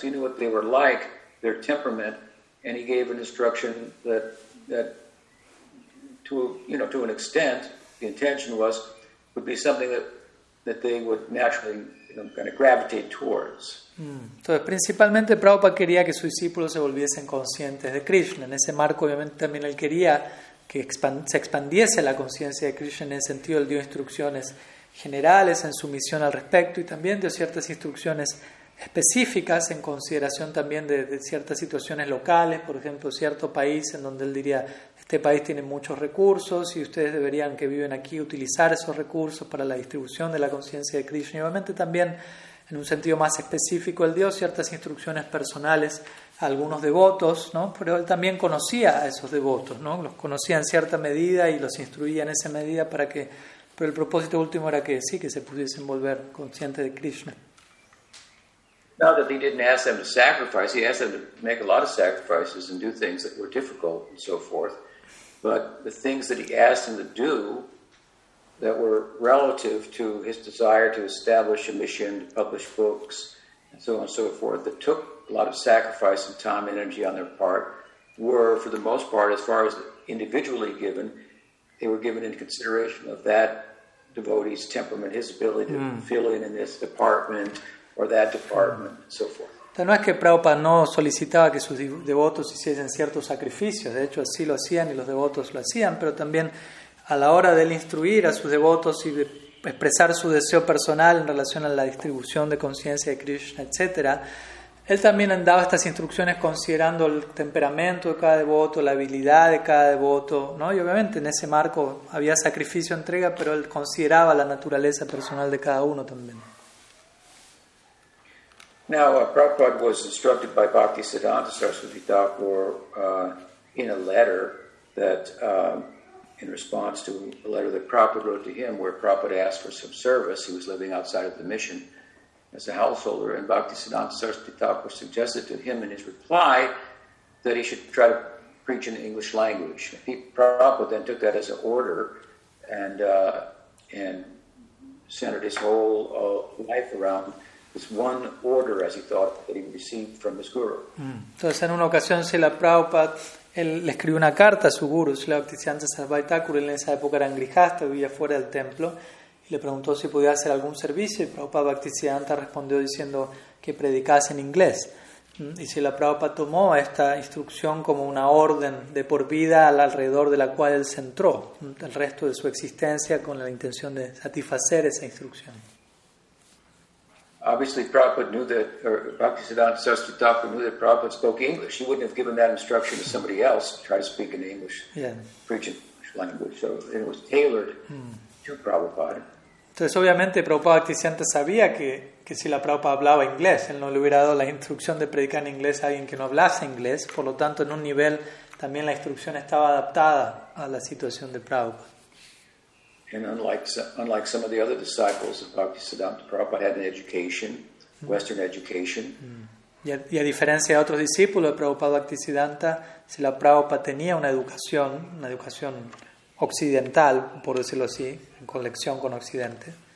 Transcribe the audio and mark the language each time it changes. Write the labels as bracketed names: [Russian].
[English] He knew what they were like, their temperament, and he gave an instruction that to you know to an extent. The intention was, would be something that they would naturally kind of gravitate towards. [Spanish] Entonces, principalmente Prabhupada quería que sus discípulos se volviesen conscientes de Krishna. En ese marco, obviamente, también él quería que se expandiese la conciencia de Krishna. En ese sentido, él dio instrucciones generales en su misión al respecto y también dio ciertas instrucciones específicas en consideración también de ciertas situaciones locales, por ejemplo, cierto país en donde él diría, este país tiene muchos recursos y ustedes deberían, que viven aquí, utilizar esos recursos para la distribución de la conciencia de Krishna. Y obviamente también, en un sentido más específico, él dio ciertas instrucciones personales a algunos devotos, ¿no? Pero él también conocía a esos devotos, ¿no? Los conocía en cierta medida y los instruía en esa medida para que, pero el propósito último era que sí, que se pudiesen volver conscientes de Krishna. [English] Now that he didn't ask them to sacrifice, he asked them to make a lot of sacrifices and do things that were difficult and so forth. But the things that he asked them to do that were relative to his desire to establish a mission, to publish books, and so on and so forth, that took a lot of sacrifice and time and energy on their part, were, for the most part, as far as individually given, they were given in consideration of that devotee's temperament, his ability to fill in this department, or that department, so forth. [Spanish] No es que Prabhupada no solicitaba que sus devotos hiciesen ciertos sacrificios, de hecho así lo hacían y los devotos lo hacían, pero también a la hora de él instruir a sus devotos y de expresar su deseo personal en relación a la distribución de conciencia de Krishna, etc., él también daba estas instrucciones considerando el temperamento de cada devoto, la habilidad de cada devoto, ¿no? Y obviamente en ese marco había sacrificio, entrega, pero él consideraba la naturaleza personal de cada uno también. [English] Now, Prabhupada was instructed by Bhaktisiddhanta Saraswati Thakur in a letter that, in response to a letter that Prabhupada wrote to him, where Prabhupada asked for some service. He was living outside of the mission as a householder, and Bhaktisiddhanta Saraswati Thakur suggested to him in his reply that he should try to preach in the English language. Prabhupada then took that as an order and centered his whole life around one order, as he thought, that he received from his guru. [Spanish] Entonces, en una ocasión, Srila Prabhupada, él le escribió una carta a su guru, Srila Bhaktisiddhanta Saraswati Thakur, en esa época era un grihasta, vivía fuera del templo, y le preguntó si podía hacer algún servicio, y Prabhupada Bhaktisiddhanta respondió diciendo que predicase en inglés. Y Srila Prabhupada tomó esta instrucción como una orden de por vida alrededor de la cual él centró el resto de su existencia con la intención de satisfacer esa instrucción. [English] Obviously, Prabhupada knew that, or Bhaktisiddhanta Saraswati Thakur knew that Prabhupada spoke English. He wouldn't have given that instruction to somebody else to try to speak in English, preach in English language. So it was tailored to Prabhupada. [Spanish] Entonces, obviamente, Prabhupada Bhaktisiddhanta sabía que si la Prabhupada hablaba inglés, él no le hubiera dado la instrucción de predicar en inglés a alguien que no hablase inglés. Por lo tanto, en un nivel, también la instrucción estaba adaptada a la situación de Prabhupada. [English] And unlike some of the other disciples of Bhaktisiddhanta Prabhupada, had an education, Western education. [Spanish] Y a diferencia de otros discípulos de Prabhupada Bhaktisiddhanta, Srila Prabhupada tenía una educación occidental, por decirlo así, en conexión con Occidente.